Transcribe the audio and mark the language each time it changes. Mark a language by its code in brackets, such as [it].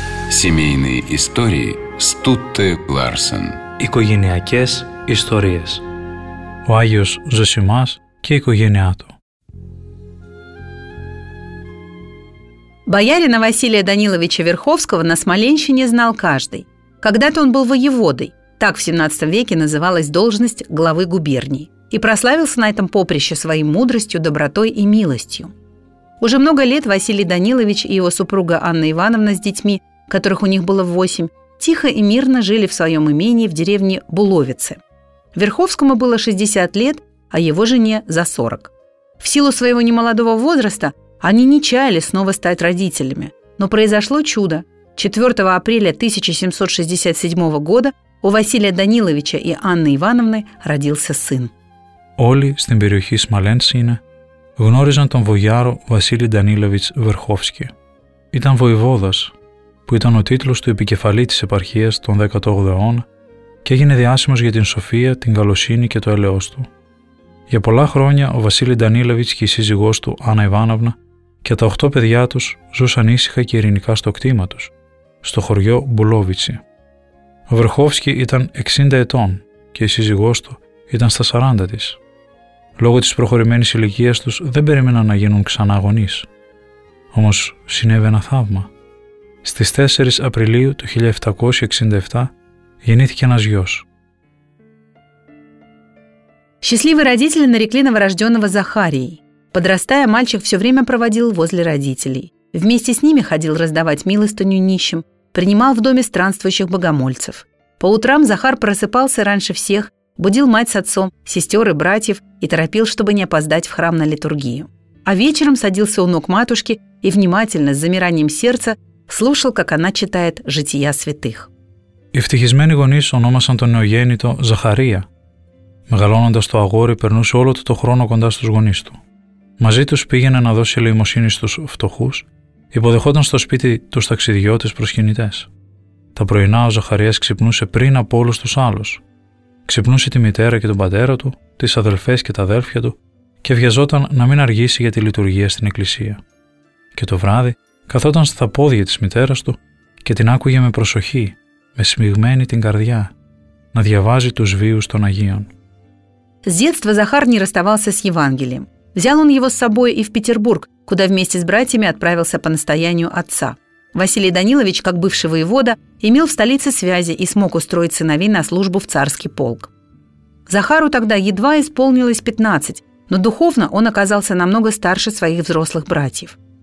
[ru] Семейные истории Стутте Ларсен. [el] Οικογενειακές ιστορίες. Ο Άγιος Ζωσιμάς και η οικογένειά του. [ru] Боярина Василия Даниловича Верховского на Смоленщине знал каждый. Когда-то он был воеводой, так в 17 веке называлась должность главы губернии, и прославился на этом поприще своей мудростью, добротой и милостью. Уже много лет Василий Данилович и его супруга Анна Ивановна с детьми, которых у них было 8, тихо и мирно жили в своем имении в деревне Буловице. Верховскому было 60 лет, а его жене за 40. В силу своего немолодого возраста они не чаяли снова стать родителями, но произошло чудо. 4 апреля 1767 года у Василия Даниловича и Анны Ивановны родился сын. [el] Όλοι στην περιοχή Σμαλένσινα γνώριζαν τον βογιάρο Βασίλη Ντανίλοβιτς Βερχόφσκι. Ήταν βοηβόδας, που ήταν ο τίτλος του επικεφαλή της επαρχίας των 18ου αιώνα και έγινε διάσημος για την σοφία, την καλοσύνη και το έλεος του. Για πολλά χρόνια ο Βασίλη Ντανίλοβιτς και η σύζυγός του Άννα Ιβάνοβνα και τα 8 παιδιά τους ζούσαν ήσυχα και ειρηνικά στο κτήμα τους, στο χωριό Μπουλόβιτσι. Ο Βερχόφσκι ήταν 60 ετών και η σύζυγός του ήταν στα 40 της. Λόγω της προχωρημένης ηλικίας τους δεν περίμεναν να γίνουν ξανά γονείς. Όμως συνέβη ένα θαύμα. Στις 4 Απριλίου του 1767 γεννήθηκε ένας γιος. [ru] Счастливые родители нарекли новорождённого Захарией. Подрастая, мальчик все время проводил возле родителей. Вместе с ними ходил раздавать милостыню нищим, принимал в доме странствующих богомольцев. По утрам Захар просыпался раньше всех, будил мать с отцом, сестер и братьев и торопил, чтобы не опоздать в храм на литургию. А вечером садился у ног матушки и внимательно, с замиранием сердца, слушал, как она читает жития святых. [el] Ευτυχισμένοι γονείς ονόμασαν τον νεογέννητο Ζαχαρία. Μεγαλώνοντας το αγόρι, περνούσε όλο το χρόνο κοντά στους γονείς του. Μαζί τους πήγαινε να δώσει ελεημοσύνη στους φτωχούς, υποδεχόταν στο σπίτι τους ταξιδιώτες προσκυνητές. Τα πρωινά ο Ζαχαρίας ξυπνούσε πριν από όλους τους άλλους. Ξυπνούσε τη μητέρα και τον πατέρα του, τις αδελφές και τα αδέλφια του και βιαζόταν να μην αργήσει για τη λειτουργία στην εκκλησία. Και το βράδυ καθόταν στα πόδια της μητέρας του και την άκουγε με προσοχή, με σμιγμένη την καρδιά, να διαβάζει τους βίους των Αγίων. [ru] С детства Захар не расставался с Евангелием. Взял он его с собой и в Петербург, куда вместе с братьями отправился по настоянию отца. Василий Данилович, как бывший воевода, имел в столице связи и смог устроить сыновей на службу в царский полк. Захару тогда едва исполнилось 15, но духовно он оказался намного старше своих взрослых братьев.